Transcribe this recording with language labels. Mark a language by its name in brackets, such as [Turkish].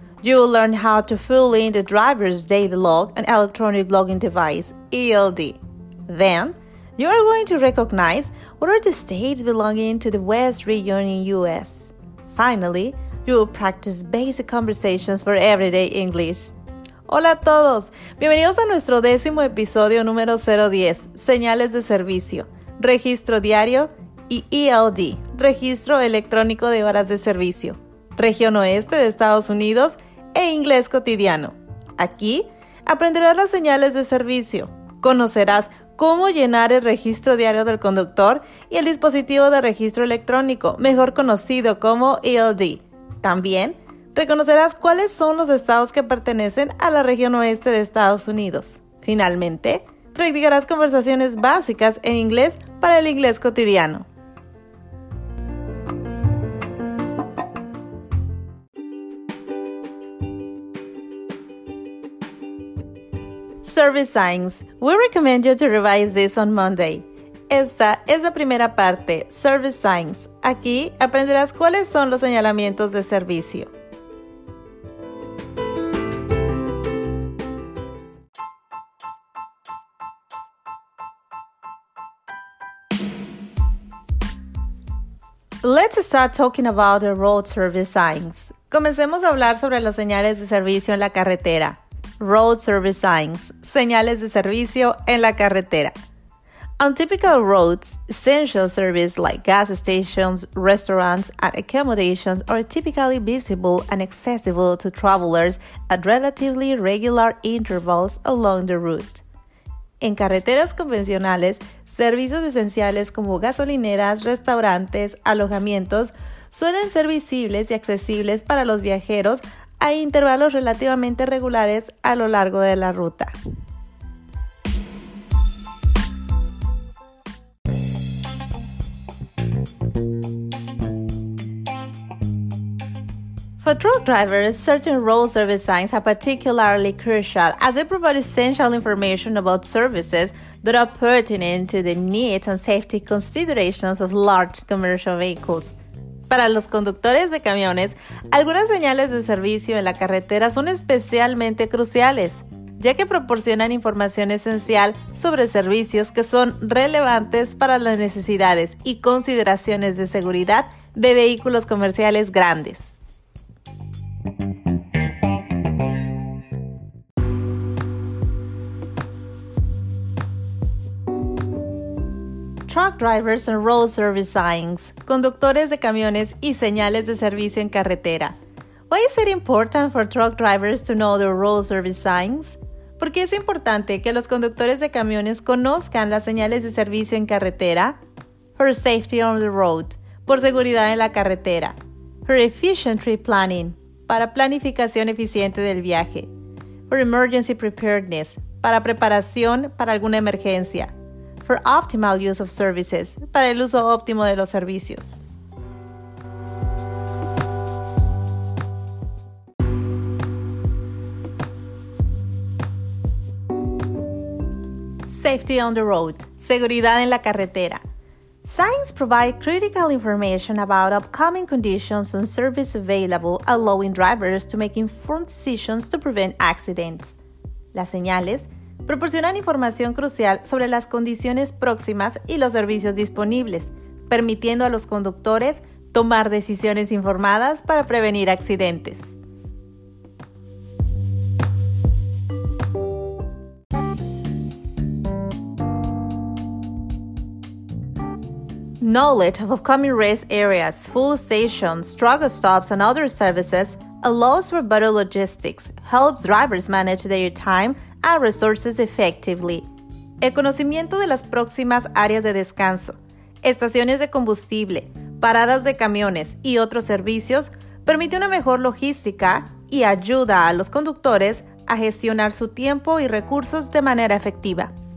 [English] You will learn how to fill in the driver's daily log and electronic logging device, ELD. Then, you are going to recognize what are the states belonging to the West Region in US. Finally, you will practice basic conversations for everyday English. [Spanish] Hola a todos, bienvenidos a nuestro décimo episodio número 010, Señales de Servicio, Registro Diario y ELD, Registro Electrónico de Horas de Servicio, Región Oeste de Estados Unidos e Inglés Cotidiano. Aquí aprenderás las señales de servicio, conocerás cómo llenar el registro diario del conductor y el dispositivo de registro electrónico, mejor conocido como ELD. También reconocerás cuáles son los estados que pertenecen a la región oeste de Estados Unidos. Finalmente, practicarás conversaciones básicas en inglés para el inglés cotidiano. [English] Service Signs. We recommend you to revise this on Monday. [Spanish] Esta es la primera parte, Service Signs. Aquí aprenderás cuáles son los señalamientos de servicio. [English] Let's start talking about the road service signs. [Spanish] Comencemos a hablar sobre las señales de servicio en la carretera. [English] Road service signs, [Spanish] señales de servicio en la carretera. [English] On typical roads, essential services like gas stations, restaurants, and accommodations are typically visible and accessible to travelers at relatively regular intervals along the route. [Spanish] En carreteras convencionales, servicios esenciales como gasolineras, restaurantes, alojamientos suelen ser visibles y accesibles para los viajeros a intervalos relativamente regulares a lo largo de la ruta. [English] For truck drivers, certain road service signs are particularly crucial as they provide essential information about services that are pertinent to the needs and safety considerations of large commercial vehicles. [Spanish] Para los conductores de camiones, algunas señales de servicio en la carretera son especialmente cruciales, ya que proporcionan información esencial sobre servicios que son relevantes para las necesidades y consideraciones de seguridad de vehículos comerciales grandes. [English] truck drivers and road service signs, [Spanish] conductores de camiones y señales de servicio en carretera. [English] Why is it important for truck drivers to know the road service signs? [Spanish] ¿Por qué es importante que los conductores de camiones conozcan las señales de servicio en carretera? [English] For safety on the road, [Spanish] por seguridad en la carretera. [English] For efficient trip planning, [Spanish] para planificación eficiente del viaje. [English] For emergency preparedness, [Spanish] para preparación para alguna emergencia. [English] For optimal use of services, [Spanish] para el uso óptimo de los servicios. [English] Safety on the road, [Spanish] seguridad en la carretera. [English] Signs provide critical information about upcoming conditions and service available, allowing drivers to make informed decisions to prevent accidents. [Spanish] Las señales proporcionan información crucial sobre las condiciones próximas y los servicios disponibles, permitiendo a los conductores tomar decisiones informadas para prevenir accidentes. [English] Knowledge of upcoming rest areas, full stations, truck stops, and other services allows for better logistics, helps drivers manage their time and resources effectively. [Spanish] El conocimiento de las próximas áreas de descanso, estaciones de combustible, paradas de camiones y otros servicios permite una mejor logística y ayuda a los conductores a gestionar su tiempo y recursos de manera efectiva.